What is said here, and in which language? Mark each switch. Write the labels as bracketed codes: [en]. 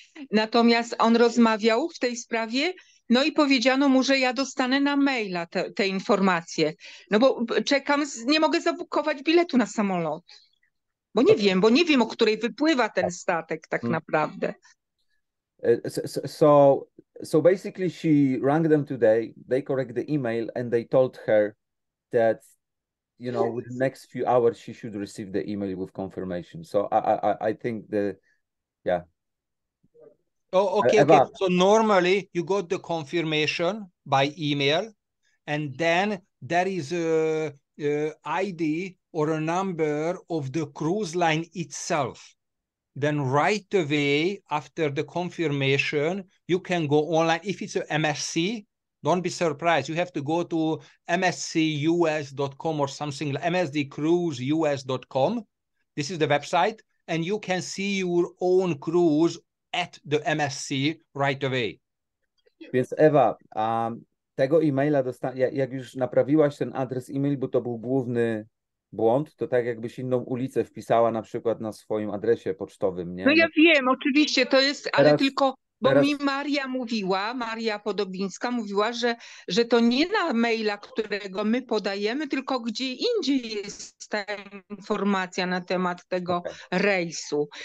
[pl] Natomiast on rozmawiał w tej sprawie. No i powiedziano mu, że ja dostanę na maila te informacje. No bo czekam, nie mogę zabukować biletu na samolot. Bo nie wiem, o której wypływa ten statek tak naprawdę. [en] So basically she rang them today, they correct the email and they told her that, you know, with the next few hours she should receive the email with confirmation. So I think the, yeah. Oh, okay, Eva. Okay. So normally you got the confirmation by email, and then there is a ID or a number of the cruise line itself. Then right away after the confirmation, you can go online. If it's a MSC, don't be surprised. You have to go to mscus.com or something like mscruiseus.com. This is the website, and you can see your own cruise at the MSC right away. [pl] Więc Ewa, tego e-maila jak już naprawiłaś ten adres e-mail, bo to był główny błąd, to tak jakbyś inną ulicę wpisała na przykład na swoim adresie pocztowym, nie? No ja wiem, oczywiście to jest, ale teraz, tylko, bo teraz... mi Maria Podobińska mówiła, że to nie na maila, którego my podajemy, tylko gdzie indziej jest ta informacja na temat tego rejsu.